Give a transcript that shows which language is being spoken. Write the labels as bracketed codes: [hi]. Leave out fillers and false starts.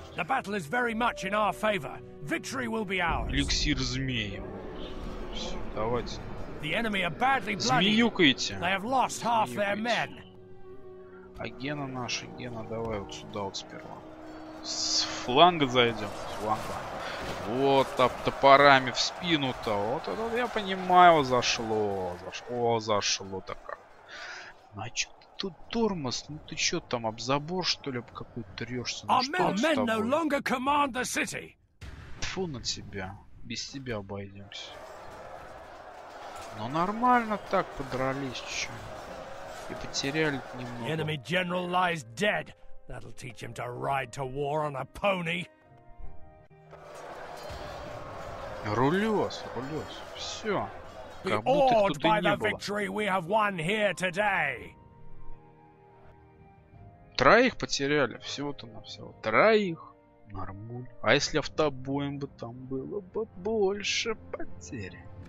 [en] The battle is very much in our favor. Victory will be ours. [ru] Эликсир змеи. Все, давайте. [en] The enemy are badly bloody. [ru] Змеюкайте. [en] They have lost half their men. [ru] А Гена наша, Гена, давай вот сюда вот сперва. С фланга зайдем. С фланга. Вот, топорами в спину-то. Вот это я понимаю, зашло. Зашло-то как. Значит. Тут тормоз, ну ты чё там, об забор что ли какой-то трёшься, ну что это с тобой? [en] No command the city. [ru] Тьфу на тебя, без тебя обойдемся. Но нормально так подрались чё. И потеряли немного. [en] Enemy general lies dead. That'll teach him to ride to war on a pony. [ru] Рулёс, всё. Как будто их тут и не было. [en] Victory we have won here today. [ru] Троих потеряли, всего-то навсего. Троих. Нормуль. А если автобоем бы там было бы больше потери?